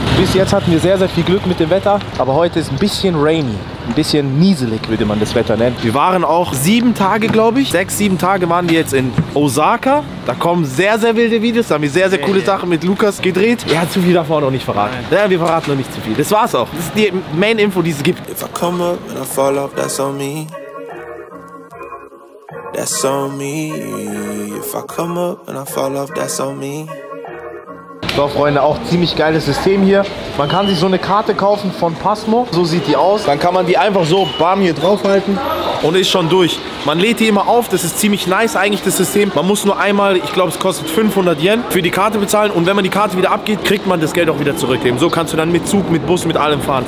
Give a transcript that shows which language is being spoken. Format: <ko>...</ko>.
<de>Bis jetzt hatten wir sehr, sehr viel Glück mit dem Wetter. Aber heute ist ein bisschen rainy. Ein bisschen nieselig, würde man das Wetter nennen. Wir waren auch 7 Tage, glaube ich. 6, 7 Tage waren wir jetzt in Osaka. Da kommen sehr, sehr wilde Videos. Da haben wir sehr, sehr coole Sachen mit Lukas gedreht. Er hat zu viel davon noch nicht verraten. Nein. Ja, wir verraten noch nicht zu viel. Das war's auch. Das ist die Main-Info, die es gibt.</de> <en>If I come up and I fall off, that's on me. That's on me. If I come up and I fall off, that's on me.</en> <de>So, Freunde, auch ziemlich geiles System hier. Man kann sich so eine Karte kaufen von Passmo. So sieht die aus. Dann kann man die einfach so, bam, hier draufhalten und ist schon durch. Man lädt die immer auf. Das ist ziemlich nice eigentlich, das System. Man muss nur einmal, ich glaube, es kostet 500 Yen für die Karte bezahlen. Und wenn man die Karte wieder abgeht, kriegt man das Geld auch wieder zurück. Eben so kannst du dann mit Zug, mit Bus, mit allem fahren.</de>